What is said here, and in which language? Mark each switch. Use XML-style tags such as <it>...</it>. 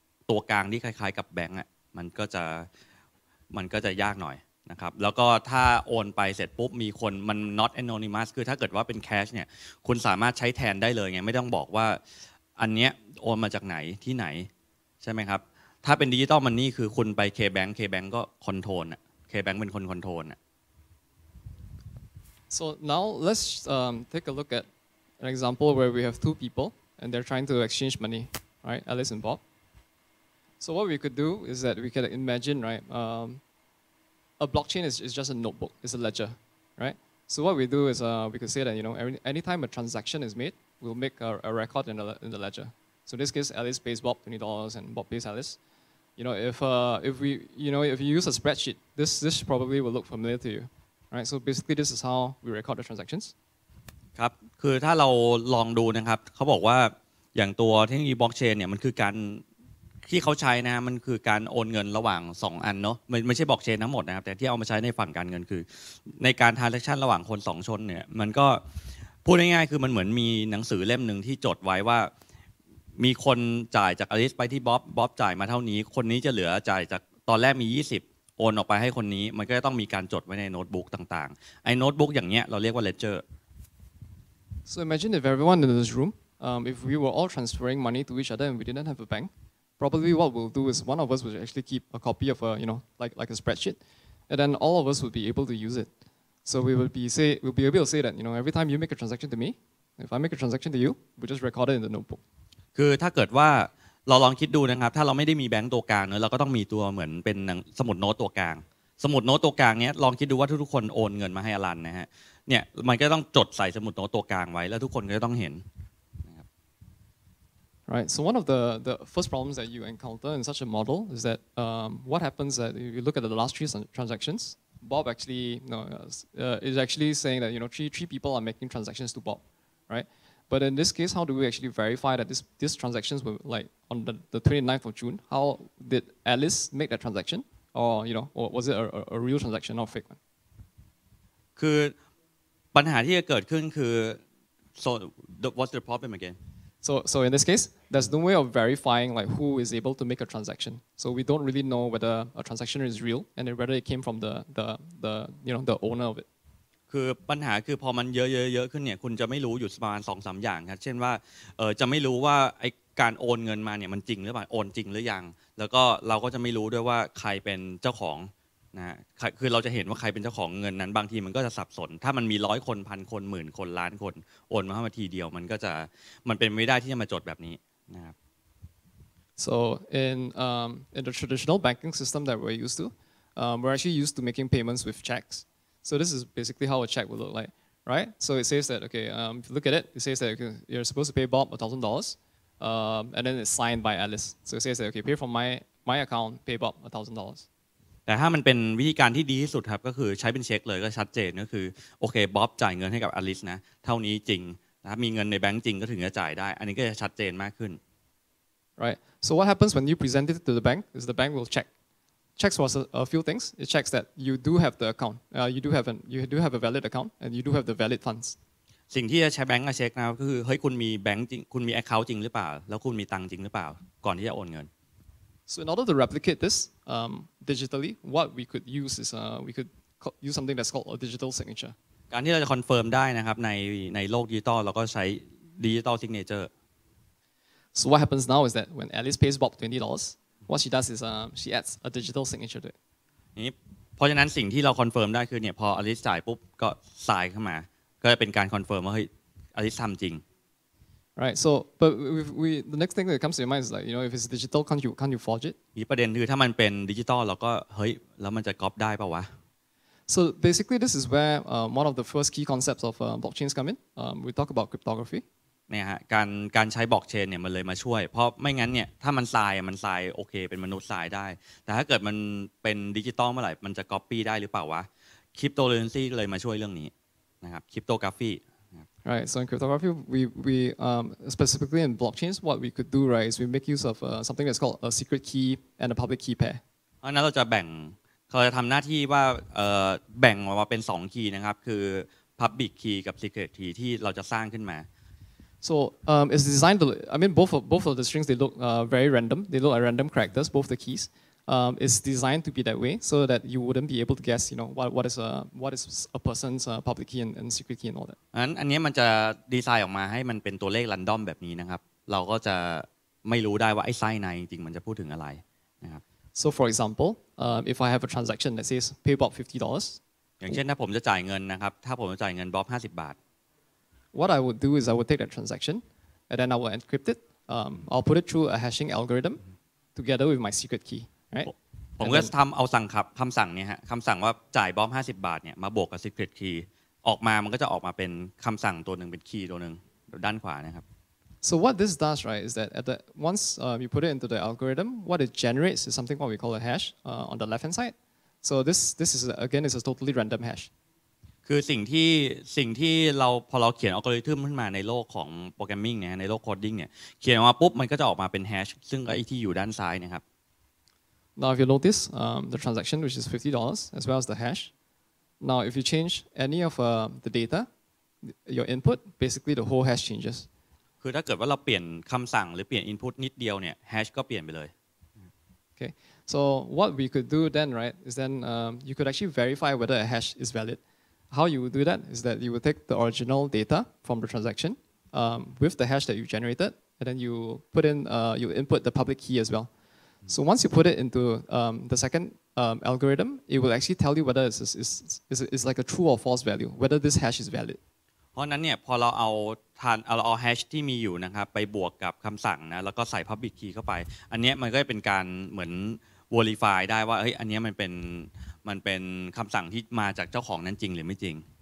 <th>ตัวกลางที่คล้ายๆกับแบงก์อ่ะมันก็จะยากหน่อยนะครับแล้วก็ถ้าโอนไปเสร็จปุ๊บมีคนมัน</th> <en>not anonymous</en> <th>คือถ้าเกิดว่าเป็นแคชเนี่ยคุณสามารถใช้แทนได้เลยไงไม่ต้องบอกว่าอันเนี้ยโอนมาจากไหนที่ไหนใช่ไหมครับถ้าเป็นดิจิตอลมันนี่คือคุณไปเคแบงก์เคแบงก์ก็คอนโทรลอ่ะเคแบงก์เป็นคนคอนโทรล</th> <en>So now let's take a look at an example where we have two people and they're trying to exchange money, right? Alice and Bob. So what we could do is that we could imagine, right? A blockchain is just a notebook, it's a ledger, right? So what we do is we could say that, you know, anytime a transaction is made, we'll make a record in the ledger. So in this case, Alice pays Bob $20 and Bob pays Alice. You know, if you use a spreadsheet, this probably will look familiar to you. Right, so basically this is how we record the transactions.</en> <th>ครับคือถ้าเราลองดูนะครับเขาบอกว่าอย่างตัวเทคโนโลยีบล็อกเชนเนี่ยมันคือการที่เขาใช้นะมันคือการโอนเงินระหว่าง2อันเนาะไม่ใช่บล็อกเชนทั้งหมดนะครับแต่ที่เอามาใช้ในฝั่งการเงินคือในการทรานแซคชันระหว่างคน2ชนเนี่ยมันก็พูดง่ายๆคือมันเหมือนมีหนังสือเล่มนึงที่จดไว้ว่ามีคนจ่ายจากอลิสไปที่บ๊อบจ่ายมาเท่านี้คนนี้จะเหลือจ่ายจากตอนแรกมี20โอนออกไปให้คนนี้มันก็ต้องมีการจดไว้ในโน้ตบุ๊กต่างๆไอ้โน้ตบุ๊กอย่างเงี้ยเราเรียกว่าเลดเจอร์</th> <en>So imagine if everyone in this room if we were all transferring money to each other and we didn't have a bank probably what we'll do is one of us would actually keep a copy of a you know like a spreadsheet and then all of us would be able to use it so we'll be able to say that you know every time you make a transaction to me if I make a transaction to you we just record it in the notebook</en> <th>คือถ้าเกิดว่าเราลองคิดดูนะครับถ้าเราไม่ได้มีแบงก์ตัวกลางเนอะเราก็ต้องมีตัวเหมือนเป็นสมุดโน้ตตัวกลางสมุดโน้ตตัวกลางเนี้ยลองคิดดูว่าทุกคนโอนเงินมาให้อลันนะฮะเนี่ยมันก็ต้องจดใส่สมุดโน้ตตัวกลางไว้แล้วทุกคนก็ต้องเห็นนะครับ</th> <en>Right. So one of the first problems that you encounter in such a model is that what happens that if you look at the last three transactions, Bob actually is actually saying that three people are making transactions to Bob, right? But in this case, how do we actually verify that these transactions were like on the 29th of June? How did Alice make that transaction, or or was it a real transaction or fake one?</en> <th>คือปัญหาที่จะเกิดขึ้นคือ</th> <en>so what's the problem again? So in this case, there's no way of verifying like who is able to make a transaction. So we don't really know whether a transaction is real and whether it came from the the owner of it.</en> <th>คือปัญหาคือพอมันเยอะๆๆขึ้นเนี่ยคุณจะไม่รู้อยู่ประมาณ 2-3 อย่างครับเช่นว่าจะไม่รู้ว่าไอ้การโอนเงินมาเนี่ยมันจริงหรือเปล่าโอนจริงหรือยังแล้วก็เราก็จะไม่รู้ด้วยว่าใครเป็นเจ้าของนะคือเราจะเห็นว่าใครเป็นเจ้าของเงินนั้นบางทีมันก็จะสับสนถ้ามันมี100คน 1,000 คน 10,000 คนล้านคนโอนมาทีเดียวมันเป็นไม่ได้ที่จะมาจดแบบนี้นะครับ</th> <en>So in the traditional banking system that we're used to we're actually used to making payments with checks so this is basically how a check would look like right so it says that okay if you look at it it says that you're supposed to pay Bob $1,000 and then it's signed by Alice so it says that okay pay from my account pay Bob $1,000</en> <th>แต่ถ้ามันเป็นวิธีการที่ดีที่สุดครับก็คือใช้เป็นเช็คเลยก็ชัดเจนก็คือโอเคบ๊อบจ่ายเงินให้กับอลิสนะเท่านี้จริงนะมีเงินในแบงค์จริงก็ถึงจะจ่ายได้อันนี้ก็จะชัดเจนมากขึ้น</th> <en>Right so what happens when you present it to the bank is the bank will checks was a few things it checks that you do have the account you do have a valid account and you do have the valid funds</en> <th>สิ่งที่จะใช้แบงค์มาเช็คนะก็คือเฮ้ยคุณมีแบงค์จริงคุณมีแอคเคาท์จริงหรือเปล่าแล้วคุณมีตังค์จริงหรือเปล่าก่อนที่จะโอนเงิน</th> <en>So in order to replicate this digitally, what we could use is we could use something that's called a digital signature.</en> <th>การที่เราจะคอนเฟิร์มได้นะครับในโลกดิจิตอลเราก็ใช้ digital signature.</th> <en>So what happens now is that when Alice pays Bob $20, what she does is she adds a digital signature to it.</en> <th>นี่เพราะฉะนั้นสิ่งที่เราคอนเฟิร์มได้คือเนี่ยพออลิสจ่ายปุ๊บก็สายเข้ามาก็จะเป็นการคอนเฟิร์มว่าเฮ้ยอลิสทำจริง</th> <en>Right. So, but we the next thing that comes to your mind is like, if it's digital, can't you forge it?</en> <th>มีประเด็นคือถ้ามันเป็นดิจิตอลเราก็เฮ้ยแล้วมันจะก๊อปได้ป่าววะ</th> <en>So basically, this is where one of the first key concepts of blockchains come in. We talk about cryptography.</en> <th>เนี่ยฮะการใช้บล็อกเชนเนี่ยมันเลยมาช่วยเพราะไม่งั้นเนี่ยถ้ามันทรายมันทรายโอเคเป็นมนุษย์ทรายได้แต่ถ้าเกิดมันเป็นดิจิตอลเมื่อไหร่มันจะก๊อปปี้ได้หรือเปล่าวะคริปโตเคอเรนซีเลยมาช่วยเรื่องนี้นะครับคริปโตกราฟี</th> <en>Right. So in cryptography, we specifically in blockchains, what we could do, right, is we make use of something that's called a secret key and a public key pair. And then we'll</en> <th>จะแบ่งเขาจะทำหน้าที่ว่าแบ่งออกมาเป็นสองคีย์นะครับคือ public key กับ secret key ที่เราจะสร้างขึ้นมา</th> <en>So it's designed. Both of the strings they look very random. They look like random characters. Both the keys. It's designed to be that way so that you wouldn't be able to guess. What is a person's public key and secret key and all that.</en> <th>อันนี้มันจะดีไซน์ออกมาให้มันเป็นตัวเลขรันดอมแบบนี้นะครับเราก็จะไม่รู้ได้ว่าไอ้ไส้ในจริงมันจะพูดถึงอะไรนะครับ</th> <en>So for example, if I have a transaction that says pay Bob $50.</en> <th>อย่างเช่นถ้าผมจะจ่ายเงินนะครับถ้าผมจะจ่ายเงินบ๊อบ50 บาท</th> <en>What I would do is I would take that transaction and then I will encrypt it. I'll put it through a hashing algorithm together with my secret key.</en> <th>ผมก็จะทำเอาสั่งครับคำสั่งเนี่ยฮะคำสั่งว่าจ่ายบ๊อบ50 บาทเนี่ยมาบวกกับ secret key ออกมามันก็จะออกมาเป็นคำสั่งตัวหนึ่งเป็นคีย์ตัวหนึ่งด้านขวานะครับ</th> <en>So what this does right is that at the once you put it into the algorithm what it generates is something what we call a hash on the left hand side so this is again is a totally random hash</en> <th>คือสิ่งที่เราพอเราเขียนอัลกอริทึมขึ้นมาในโลกของโปรแกรมมิ่งเนี่ยในโลกโคดดิ้งเนี่ยเขียนออกมาปุ๊บมันก็จะออกมาเป็นแฮชซึ่งไอ้ที่อยู่ด้านซ้ายนะครับ</th> <en>Now, if you notice, the transaction, which is $50, as well as the hash. Now, if you change any of the data, your input, basically the whole hash changes.</en> <th>คือถ้าเกิดว่าเราเปลี่ยนคำสั่งหรือเปลี่ยน input นิดเดียวเนี่ย hash ก็เปลี่ยนไปเลย</th> <en>Okay. So what we could do then, right, is then you could actually verify whether a hash is valid. How you would do that is that you would take the original data from the transaction with the hash that you generated, and then you put in you input the public key as well. So once you put it into the second algorithm, it will actually tell you whether it's like a true or false value, whether this hash is valid.</en> <th>เพราะนั้นเนี่ยพอเราเอา hash ที่มีอยู่นะครับไปบวกกับคำสั่งนะแล้วก็ใส่ public key เข้าไปอันนี้มันก็จะเป็นการเหมือน verify ได้ว่าเฮ้ยอันนี้มันเป็นคำสั่งที่มาจากเจ้าของนั้นจริงหรือไม่จริง</th>